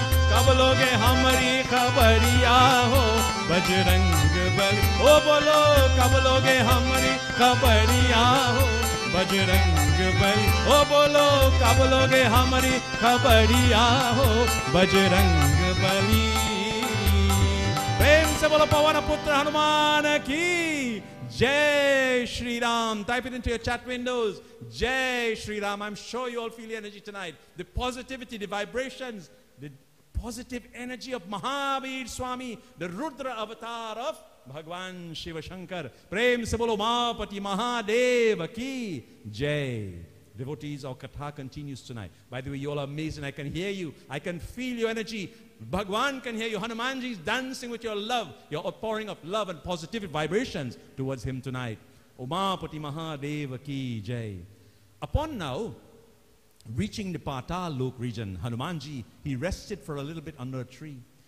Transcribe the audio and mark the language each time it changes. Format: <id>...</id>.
<hi>कब लोगे हमारी खबरिया हो, बजरंग बली ओ बोलो कब लोगे हमारी खबरिया हो, बजरंग बल ओ बोलो कब लोगे हमारी खबरिया हो, बजरंग बली। प्रेम से बोलो पवन पुत्र हनुमान की जय Shri Ram.</hi> <en>Type it into your chat windows,</en> <hi>जय Shri Ram.</hi> <en>I'm sure you all feel the energy tonight, the positivity, the vibrations, the positive energy of Mahavir Swami, the Rudra avatar of भगवान शिव शंकर।</en> <hi>प्रेम से बोलो मां पति महादेव की जय।</hi> <en>Devotees, our katha continues tonight. By the way, you all are amazing. I can hear you. I can feel your energy. Bhagwan can hear you. Hanumanji is dancing with your love. You're outpouring of love and positive vibrations towards him tonight.</en> <hi>Umapati Mahadeva ki jai.</hi> <en>Upon now reaching the Patal Lok region, Hanumanji, he rested for a little bit under a tree.</en>